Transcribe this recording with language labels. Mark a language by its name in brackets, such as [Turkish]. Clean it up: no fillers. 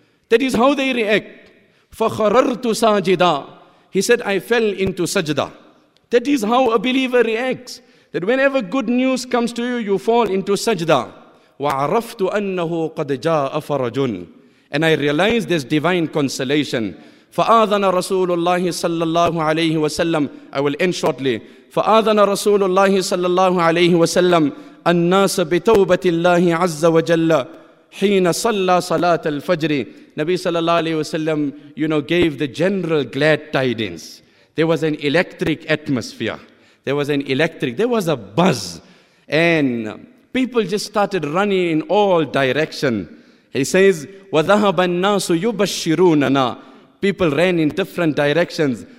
[English] That is how they react. [Arabic] فَخَرَرْتُ سَاجِدًا. [English] He said, I fell into sajda. That is how a believer reacts. That whenever good news comes to you, you fall into sajda. [Arabic] وَعَرَفْتُ أَنَّهُ قَدْ جَاءَ فَرَجٌ. [English] And I realized this divine consolation. [Arabic] فَآذَنَ رَسُولُ اللَّهِ صَلَّى اللَّهُ عَلَيْهِ وَسَلَّمُ. [English] I will end shortly. [Arabic] فَآذَنَ رَسُولُ اللَّهِ صَلَّى اللَّهُ عَلَيْهِ وَسَلَّمُ النَّاسَ بِتَوْبَةِ اللَّهِ عَزَّ وَجَلَّ حِينَ صَلَّى صَلَاةَ الْفَجْرِ. [English] Nabi sallallahu alayhi wasallam, you know, gave the general glad tidings. There was an electric atmosphere. There was a buzz. And people just started running in all direction. He says, [Arabic] وَذَهَبَ النَّاسُ يُبَشِّرُونَنَا. [English] People ran in different directions.